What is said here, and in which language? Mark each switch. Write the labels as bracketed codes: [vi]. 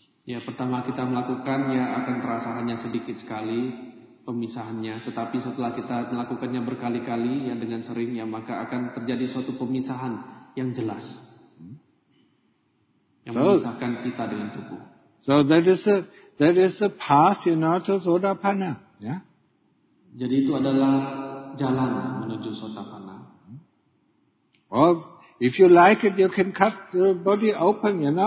[id] Ya, pertama kita melakukan, ya akan terasa hanya sedikit sekali pemisahannya. Tetapi setelah kita melakukannya berkali-kali, ya dengan sering, ya maka akan terjadi suatu pemisahan yang jelas. Yang memisahkan cita dengan tubuh. [en] So that is a path, you know, to Sotapanna. Yeah? [id] Jadi itu adalah jalan menuju Sotapanna. [en] Well, if you like it, you can cut the body open, you know.